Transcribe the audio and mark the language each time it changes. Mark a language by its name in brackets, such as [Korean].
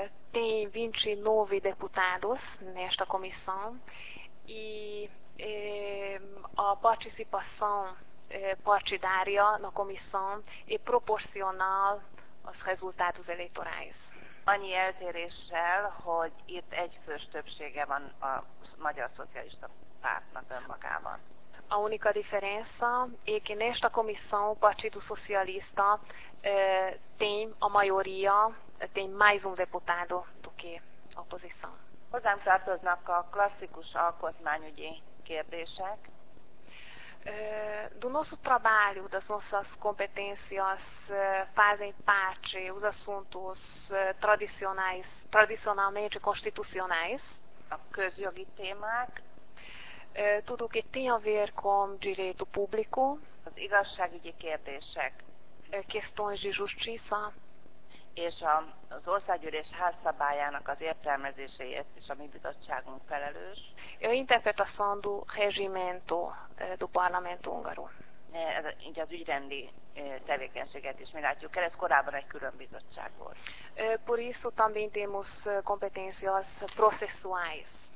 [Portuguese] Tem 29 deputados nesta comissão e a participação partidária na comissão é proporcional aos resultados eleitorais. [Hungarian] Annyi eltéréssel, hogy itt egy fős többsége van a Magyar Szocialista Pártnak önmagában. [Portuguese] A única diferença é que nesta comissão o Partido Socialista tem a maioria, tem mais deputado do que a oposição. [Hungarian] Hozzám tartoznak a klasszikus alkotmányügyi kérdések. [Portuguese] Do nosso trabalho, das nossas competências, fazem parte os assuntos tradicionais, tradicionalmente constitucionais. [Hungarian] A közjogi témák. [Portuguese] Tudo o que tem a ver com direito público. [Hungarian] Az igazságügyi kérdések. [Portuguese] Questões de justiça. [Hungarian] És az országgyűlés házszabályának az értelmezéséért is a mi bizottságunk felelős. [Portuguese] A interpretação do regimento do parlamento húngaro. [Hungarian] Így az ügyrendi tevékenységet is mi látjuk el, ez korábban egy külön bizottság volt. [Portuguese] Por isso também temos competências processuais.